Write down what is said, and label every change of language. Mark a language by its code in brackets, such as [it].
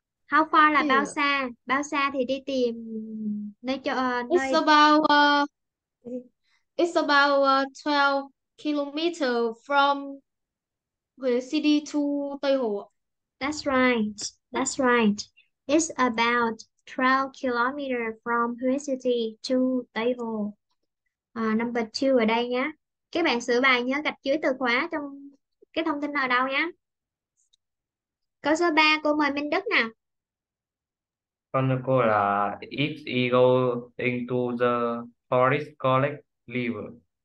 [vi] How far là bao xa? Bao xa thì đi tìm nơi chỗ nơi. [en] It's about 12 km from Huế City to Tây Hồ. That's right. It's about 12 km from Huế City to Tây Hồ. [vi] Number 2 ở đây nhé. Các bạn sửa bài nhớ gạch dưới từ khóa trong cái thông tin ở đâu nhé. Câu số 3 cô mời Minh Đức nào. [en] Con của cô là it go into the forest college level.